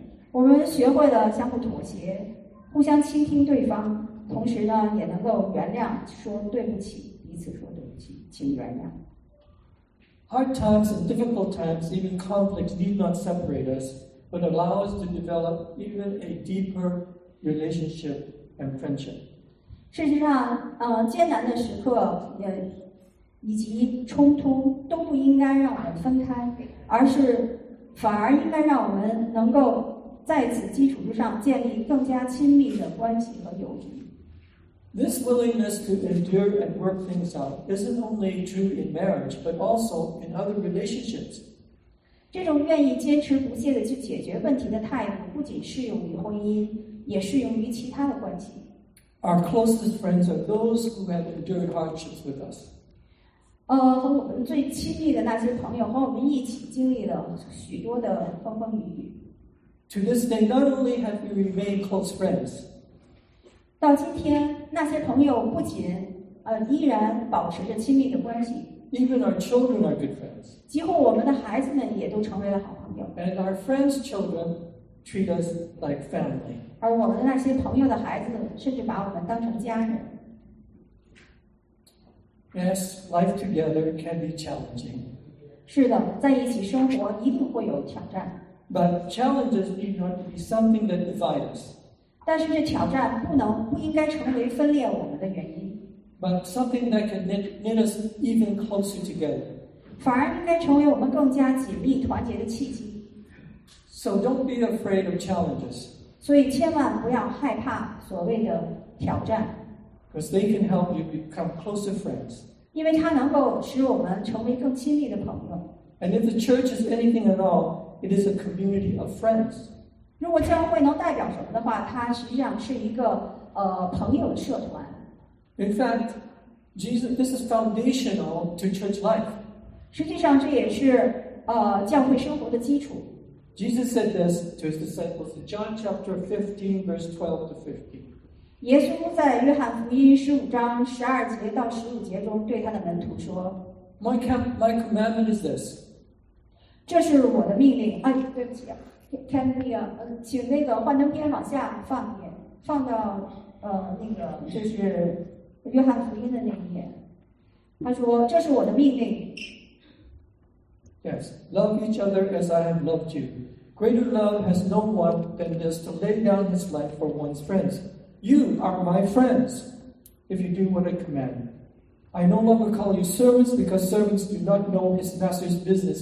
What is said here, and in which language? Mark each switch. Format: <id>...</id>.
<zh>我们学会了相互妥协，互相倾听对方，同时呢，也能够原谅，说对不起，彼此说对不起，请原谅。</zh> <en>Hard times and difficult times, even conflicts, need not separate us, but allow us to develop even a deeper relationship and friendship.</en> <zh>事实上，艰难的时刻也以及冲突都不应该让我们分开，而是反而应该让我们能够在此基础之上建立更加亲密的关系和友谊。</zh> <en>This willingness to endure and work things out isn't only true in marriage, but also in other relationships.</en> <zh>这种愿意坚持不懈的去解决问题的态度，不仅适用于婚姻，也适用于其他的关系。</zh> <en>Our closest friends are those who have endured hardships with us.</en> <zh>和我们最亲密的那些朋友和我们一起经历了许多的风风雨雨。</zh> <en>To this day, not only have we remained close friends.</en> <zh>到今天，那些朋友不仅依然保持着亲密的关系。</zh> <en>Even our children are good friends.</en> <zh>几乎我们的孩子们也都成为了好朋友。</zh> <en>And our friends' children treat us like family.</en> <zh>而我们那些朋友的孩子甚至把我们当成家人。</zh> <en>Yes, life together can be challenging.</en> <zh>是的，在一起生活一定会有挑战。</zh> <en>But challenges need not to be something that divide us.</en> <zh>但是这挑战不应该成为分裂我们的原因。</zh> <en>But something that can knit us even closer together.</en> <zh>反而应该成为我们更加紧密团结的契机。</zh> <en>So don't be afraid of challenges.</en> <zh>所以千万不要害怕所谓的挑战</zh> <en>Because they can help you become closer friends.</en> <zh>因为它能够使我们成为更亲密的朋友</zh> <en>And if the church is anything at all, it is a community of friends.</en> <zh>如果教会能代表什么的话它实际上是一个朋友的社团</zh> <en>In fact, Jesus, this is foundational to church life.</en> <zh>实际上这也是教会生活的基础</zh> <en>Jesus said this to his disciples in John chapter 15, verse 12 to 15.</en> <zh>耶稣在约翰福音十五章十二节到十五节中对他的门徒说</zh> <en>My commandment is this.</en> <zh>这是我的命令。哎，对不起啊 ，</zh> <en>Can we</en> <zh>啊，请那个幻灯片往下放一页，放到那个就是约翰福音的那一页。他说：“这是我的命令。”</zh> <en>Yes, love each other as I have loved you. Greater love has no one than this to lay down his life for one's friends. You are my friends if you do what I command. I no longer call you servants because servants do not know his master's business.</en>